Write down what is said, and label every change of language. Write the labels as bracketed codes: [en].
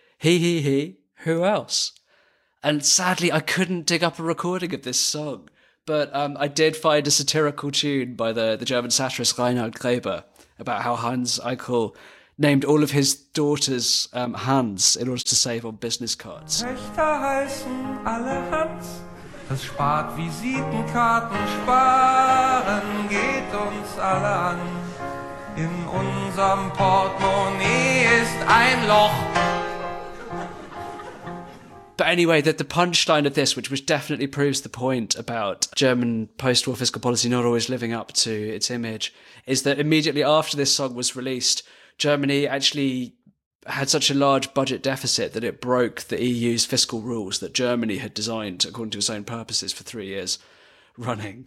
[en] He, who else? And sadly, I couldn't dig up a recording of this song. But I did find a satirical tune by the German satirist Reinhard Graeber about how Hans Eichel named all of his daughters Hans in order to save on business cards. [de] Töchter heißen alle Hans. Das spart Visitenkarten, sparen geht uns alle an. In unserem Portemonnaie ist ein Loch. [en] But anyway, the punchline of this, which definitely proves the point about German post-war fiscal policy not always living up to its image, is that immediately after this song was released, Germany actually had such a large budget deficit that it broke the EU's fiscal rules that Germany had designed according to its own purposes for 3 years running.